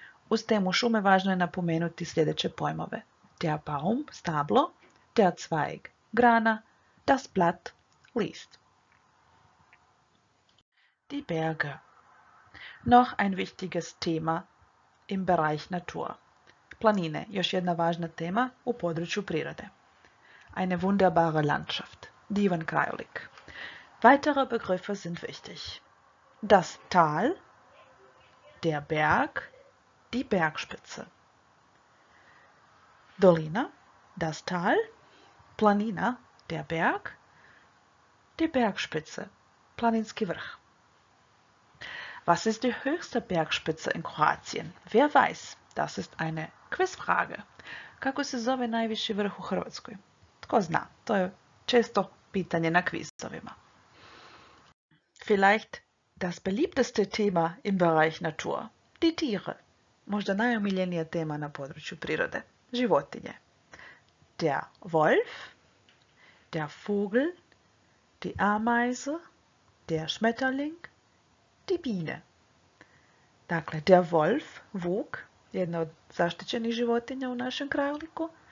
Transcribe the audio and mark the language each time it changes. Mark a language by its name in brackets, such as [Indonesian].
[Croatian] Uz temu šume važno je napomenuti sljedeće pojmove. [German] Der Baum, [Croatian] stablo, [German] der Zweig, [Croatian] grana, [German] das Blatt, [Croatian] list. [German] Die Berge. Noch ein wichtiges Thema im Bereich Natur. [Croatian] Planine, još jedna važna tema u području prirode. [German] Eine wunderbare Landschaft. [Croatian] Divan krajolik. [German] Weitere Begriffe sind wichtig. Das Tal, der Berg, die Bergspitze. [Croatian] Dolina, [German] das Tal, [Croatian] planina, [German] der Berg, die Bergspitze, [Croatian] planinski vrh. [German] Was ist die höchste Bergspitze in Kroatien? Wer weiß? Das ist eine Quizfrage. [Croatian] Kako se zove najviši vrh u Hrvatskoj? Tko zna? To je često pitanje na kvizovima. [German] Vielleicht das beliebteste Thema im Bereich Natur. Die Tiere. [Croatian] Možda najomiljenija tema na području prirode. Životinje. [German] Der Wolf, der Vogel, die Ameise, der Schmetterling, die Biene. [Croatian] Dakle, [German] der Wolf, [Croatian] Vuk, jedna od zaštićenih životinja u našem krajoliku.